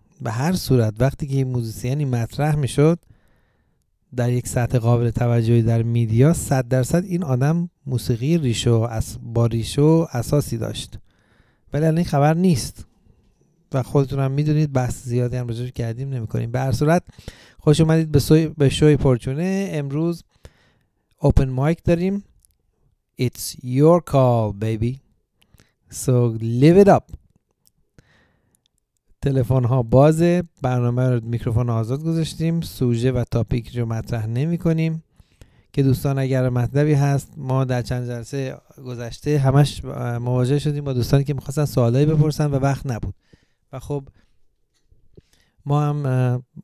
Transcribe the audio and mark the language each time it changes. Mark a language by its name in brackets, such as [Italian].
[Persian] به هر صورت وقتی که موزیسیانی مطرح میشد در یک سطح قابل توجهی در میدیا، 100% این آدم موسیقی ریشو با ریشو اساسی داشت. ولی الان این خبر نیست و خودتون هم میدونید، بحث زیادی هم راجعش کردیم نمی کنیم. به هر صورت خوش اومدید به شوی پرچونه. امروز open mic داریم. [English] It's your call baby, so live it up. [Persian] تلفن ها بازه، برنامه رو میکروفون آزاد گذاشتیم، سوژه و تاپیک رو مطرح نمی کنیم. که دوستان اگر مطلبی هست، ما در چند جلسه گذشته همش مواجه شدیم با دوستانی که می‌خواستن سوالایی بپرسن و وقت نبود، و خب ما هم